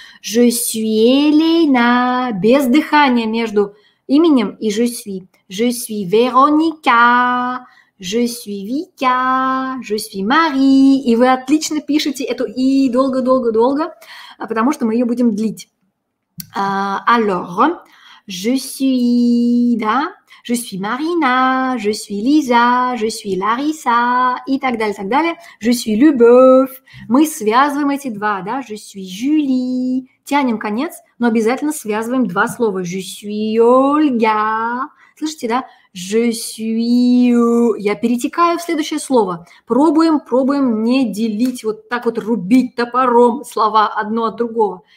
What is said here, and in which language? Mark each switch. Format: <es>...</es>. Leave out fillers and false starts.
<fr>Je suis Elena.</fr> <ru>Без дыхания между именем и</ru> <fr>je suis. Je suis Veronica. Je suis Vika. Je suis Marie.</fr> <ru>И вы отлично пишете эту «и» долго-долго-долго, потому что мы ее будем длить.</ru> <fr>Alors, je suis, да? Je suis Marina, je suis Lisa, je suis Larissa</fr> <ru>и так далее, так далее.</ru> <fr>Je suis Любовь.</fr> <ru>Мы связываем эти два, да?</ru> <fr>Je suis Julie.</fr> <ru>Тянем конец, но обязательно связываем два слова.</ru> <fr>Je suis Olga.</fr> <ru>Слышите, да?</ru> <fr>Je suis...</fr> <ru>Я перетекаю в следующее слово. Пробуем, пробуем не делить, вот так вот рубить топором слова одно от другого.</ru>